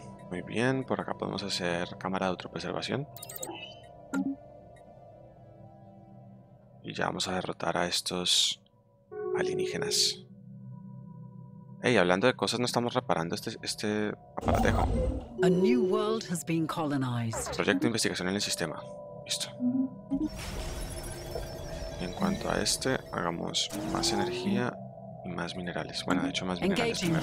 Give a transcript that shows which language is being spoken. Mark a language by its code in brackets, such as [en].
[es] Muy bien, por acá podemos hacer cámara de autopreservación. Y ya vamos a derrotar a estos alienígenas. Hey, hablando de cosas, no estamos reparando este aparatejo. [en] A new world has been colonized. [es] Proyecto de investigación en el sistema. Listo. Y en cuanto a este, hagamos más energía y más minerales. Bueno, de hecho, más minerales.